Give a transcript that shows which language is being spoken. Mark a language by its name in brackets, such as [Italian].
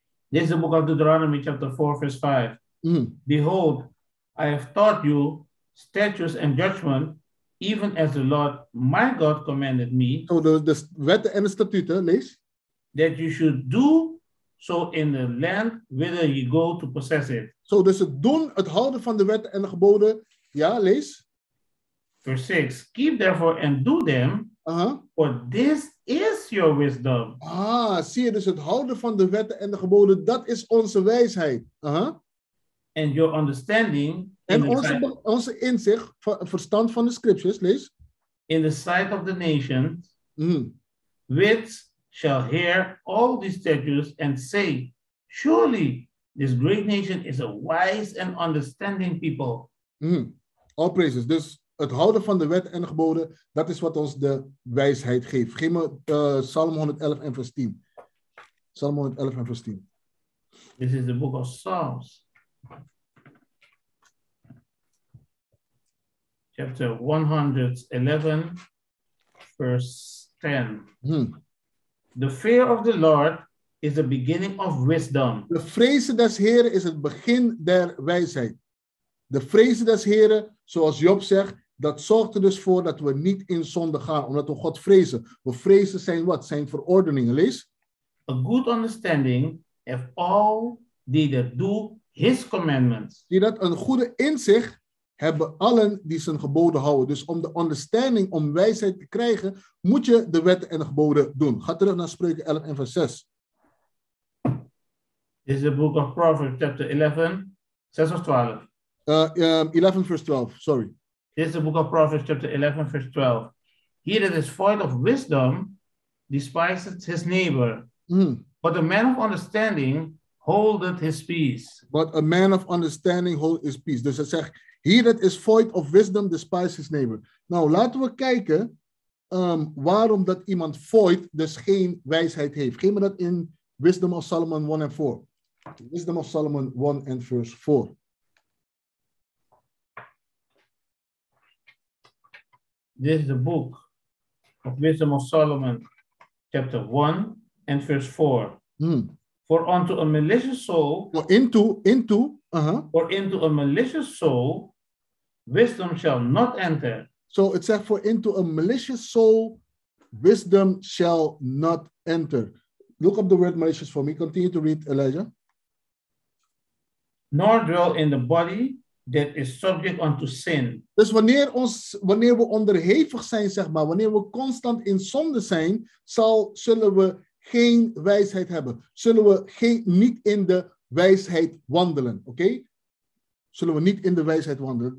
[English] This is the book of Deuteronomy chapter 4, verse 5. Mm-hmm. Behold, I have taught you statutes and judgment, even as the Lord my God commanded me. So the [Dutch] wetten en de statuten, lees. [English] That you should do so in the land whither you go to possess it. [Dutch] So dus het doen, het houden van de wetten en de geboden. Ja, lees. [English] Verse 6. Keep therefore and do them. Uh-huh. For this is your wisdom. [Dutch] Ah, zie je, dus het houden van de wetten en de geboden, dat is onze wijsheid. Uh-huh. [English] And your understanding. [Dutch] En onze inzicht, verstand van de scriptures, lees. [English] In the sight of the nations, mm. which shall hear all these statutes and say, surely this great nation is a wise and understanding people. Mm. All praises. [Dutch] Dus het houden van de wet en de geboden, dat is wat ons de wijsheid geeft. Geef me Psalm 111 en vers 10. Psalm 111 en vers 10. [English] This is the book of Psalms. Chapter 111, verse 10. Hmm. The fear of the Lord is the beginning of wisdom. [Dutch] De vrezen des Heren is het begin der wijsheid. De vrezen des Heren, zoals Job zegt, dat zorgt er dus voor dat we niet in zonde gaan, omdat we God vrezen. We vrezen zijn wat? Zijn verordeningen. Lees. [English] A good understanding of all die that do his commandments. [Dutch] Die dat een goede inzicht hebben allen die zijn geboden houden. Dus om de understanding, om wijsheid te krijgen, moet je de wetten en de geboden doen. Ga terug naar Spreuken 11 en vers 6. [English] This is the book of Proverbs, chapter 11, 6 of 12. 11 verse 12, sorry. This is the book of Proverbs, chapter 11, verse 12. He that is void of wisdom despises his neighbor. Mm. But a man of understanding holdeth his peace. But a man of understanding holdeth his peace. [Dutch] Dus hij zegt, [English] he that is void of wisdom despises his neighbor. [Dutch] Nou, laten we kijken waarom dat iemand void dus geen wijsheid heeft. Geef me dat in Wisdom of Solomon 1 and 4. Wisdom of Solomon 1 and verse 4. [English] This is the book of Wisdom of Solomon, chapter 1 and verse 4. Hmm. For unto a malicious soul, for into a malicious soul, wisdom shall not enter. So it says, for into a malicious soul, wisdom shall not enter. Look up the word malicious for me. Continue to read, Elijah. Nor dwell in the body that is subject unto sin. [Dutch] Dus wanneer we onderhevig zijn, zeg maar, wanneer we constant in zonde zijn, zullen we geen wijsheid hebben. Zullen we niet in de wijsheid wandelen, oké? Okay? Zullen we niet in de wijsheid wandelen.